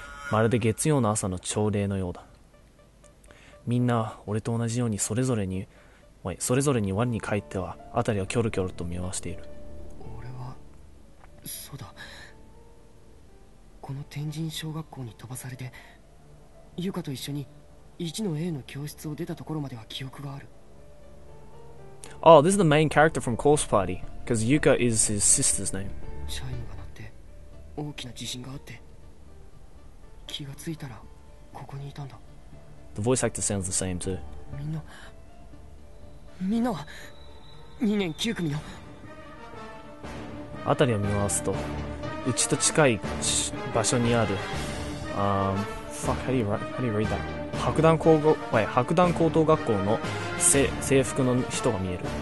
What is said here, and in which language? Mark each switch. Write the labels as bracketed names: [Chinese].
[Japanese] まるで月曜の朝の朝礼のようだ。みんな俺と同じようにそれぞれに輪に帰っては辺りをキョロキョロと見回している。そうだ、この天神小学校に飛ばされて、ユカと一緒に1の A の教室を出たところまでは記憶がある。 [English] Oh, this is the main character from Course Party, because Yuka is his sister's name. [Japanese] チャイムが鳴って大きな地震があって、気がついたらここにいたんだ。 [English] The voice actor sounds the same too. [Japanese] みんなは2年9組の、あたりを見回すと、うちと近い場所にある、白壇高等学校の制服の人が見える。